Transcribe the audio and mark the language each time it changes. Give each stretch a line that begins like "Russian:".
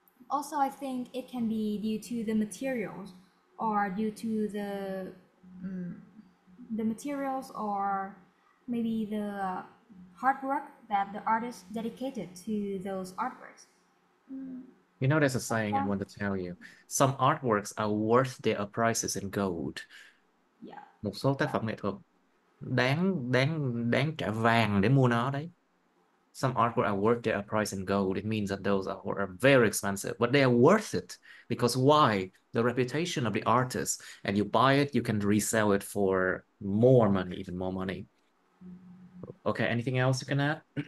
English: Also, I think it can be due to the materials or due to the materials or maybe the hard work that the artist dedicated to those artworks. You know, there's a saying I want to tell you. Some artworks are worth their prices in gold.
Vietnamese: Một số tác phẩm nghệ thuật đáng trả vàng để mua nó đấy.
English: Some artwork are worth their price in gold. It means that those are very expensive, but they are worth it. Because why? The reputation of the artist, and you buy it, you can resell it for more money, even more money. Okay, anything else you can add?